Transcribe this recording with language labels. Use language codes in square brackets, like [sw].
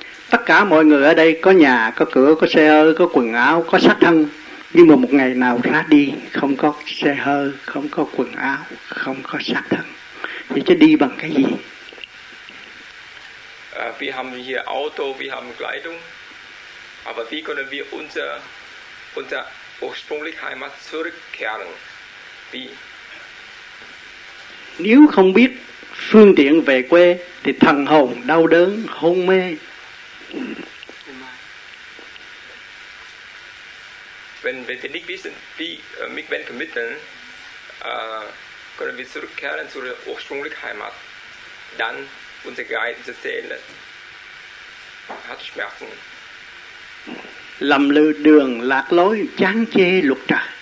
[vi] Tất cả mọi người ở đây có nhà, có cửa, có xe hơi, có quần áo, có xác thân. Nhưng mà một ngày nào ra đi, không có xe hơi, không có quần áo, không có xác thân. Vậy chứ đi bằng cái gì? [de] Wir haben hier Auto, wir haben Kleidung, aber wie können wir unser ursprüngliche Heimat zurückkehren? Wie? [vi] Nếu không biết phương tiện về quê, thì thần hồn đau đớn, hôn mê. [de] Wenn wir nicht wissen, wie mit welchen Mitteln können wir zurückkehren zur ursprünglichen Heimat, dann unser Geist, unsere Seele hat Schmerzen. [vi] Lầm lư đường lạc lối, chán chê luật trời.